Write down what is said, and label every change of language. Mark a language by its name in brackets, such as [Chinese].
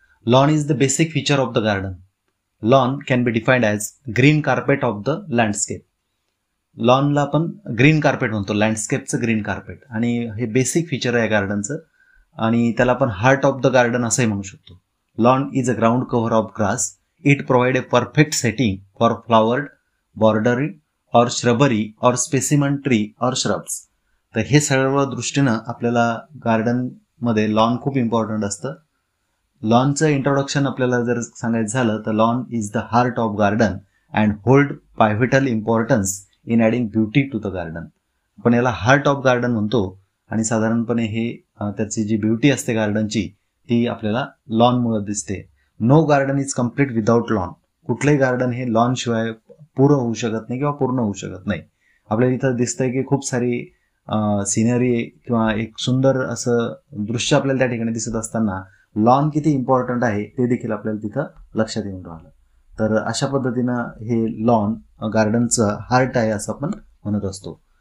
[English] Lawn is the basic feature of the garden. Lawn can be defined as green carpet of the landscape. [Marathi] लॉनला आपण green carpet म्हणतो, लँडस्केपचं green carpet, आणि हे basic feature आहे गार्डनचं, आणि त्याला आपण हार्ट ऑफ द गार्डन असंही म्हणू शकतो. [English] Lawn is a ground cover of grass. It provide a perfect setting for flowered border और shrubbery और specimen tree और shrubs. [Marathi] तर हे सर्व दृष्टीनं आपल्याला गार्डनमध्ये लॉन खूप इम्पॉर्टंट असतं. लॉनचं इंट्रोडक्शन आपल्याला जर सांगायचं झालं तर [English] Lawn is the heart of garden and hold pivotal importance in adding beauty to the garden. [Marathi] आपण याला हार्ट ऑफ गार्डन म्हणतो, आणि साधारणपणे हे त्याची जी ब्युटी असते गार्डनची ती आपल्याला लॉनमुळे दिसते. [English] No garden is complete without lawn. [Marathi] कुठलंही गार्डन हे लॉनशिवाय पूर्ण होऊ शकत नाही किंवा पूर्ण होऊ शकत नाही. आपल्याला इथं दिसतंय की खूप सारी सिनरी किंवा एक सुंदर असं दृश्य आपल्याला त्या ठिकाणी दिसत असताना लॉन किती इम्पॉर्टंट आहे ते देखील आपल्याला तिथं लक्षात येऊन राहिलं. तर अशा पद्धतीनं हे लॉन गार्डनचं हार्ट आहे असं आपण म्हणत असतो.